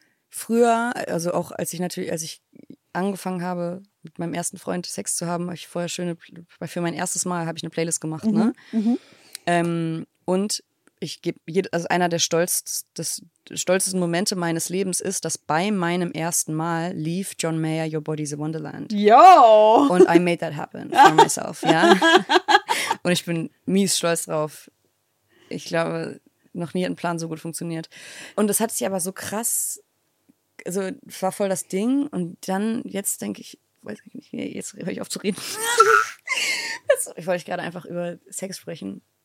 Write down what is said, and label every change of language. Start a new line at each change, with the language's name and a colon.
German: Früher, also auch als ich angefangen habe, mit meinem ersten Freund Sex zu haben, habe ich vorher für mein erstes Mal habe ich eine Playlist gemacht. Mhm. Ne? Mhm. Und ich gebe, also einer der stolzesten Momente meines Lebens ist, dass bei meinem ersten Mal lief John Mayer Your Body's a Wonderland. Yo! Und
English: I made that happen for myself,
German: ja. Und ich bin mies stolz drauf. Ich glaube, noch nie hat ein Plan so gut funktioniert. Und das hat sich aber so krass, also war voll das Ding. Und dann, jetzt denke ich, weiß ich nicht, jetzt höre ich auf zu reden. Ich wollte gerade einfach über Sex sprechen.